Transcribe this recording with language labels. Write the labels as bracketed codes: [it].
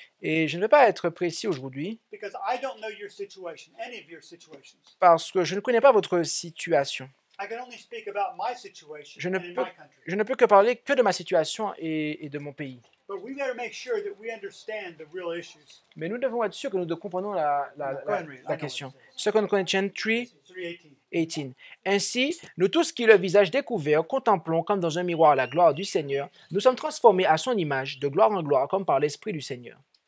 [fr] Et je ne vais pas être précis aujourd'hui. [en] Because I don't know your situation, any of your situations. [fr] Parce que je ne connais pas votre situation. [en] I can only speak about my situation and in my country. [fr] Je ne peux que parler que de ma situation et de mon pays. [en] But we better make sure that we understand the real issues. [fr] Mais nous devons être sûrs que nous comprenons la question. 2 Corinthiens 3:18. Ainsi, nous tous qui le visage découvert contemplons comme dans un miroir la gloire du Seigneur, nous sommes transformés à son image de gloire en gloire comme par l'Esprit du Seigneur.